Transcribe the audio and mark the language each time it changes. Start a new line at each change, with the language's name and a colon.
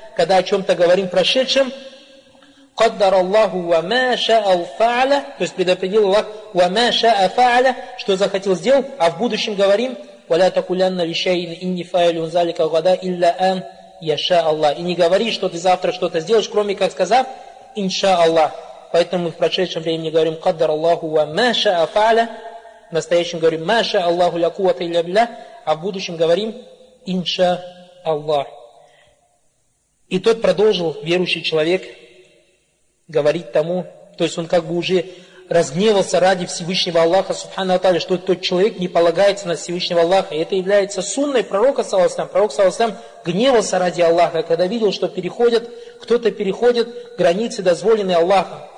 Russian: Когда о чем-то говорим прошедшем,
Arabic: قدر الله وما شاء فعل,
Russian: то есть предопределил Аллах,
Arabic: وما شاء فعل,
Russian: что захотел сделал, а в будущем говорим,
Arabic: ولا تقولن لشيء إني فاعل ذلك غدا إلا أن يشاء الله,
Russian: и не говори, что ты завтра что-то сделаешь, кроме как сказав
Arabic: إن شاء الله.
Russian: Поэтому мы в прошедшем времени говорим
Arabic: قدر الله وما شاء فعل,
Russian: в настоящем говорим
Arabic: ما شاء الله لا قوة إلا بالله,
Russian: а в будущем говорим
Arabic: إن شاء
Russian: Аллах. И тот продолжил, верующий человек, говорить тому, то есть он как бы уже разгневался ради Всевышнего Аллаха, субхана Аталли, что тот человек не полагается на Всевышнего Аллаха. И это является сунной пророка, саллассалям. Пророк, саллассалям, гневался ради Аллаха, когда видел, что переходят, кто-то переходит границы, дозволенные Аллахом.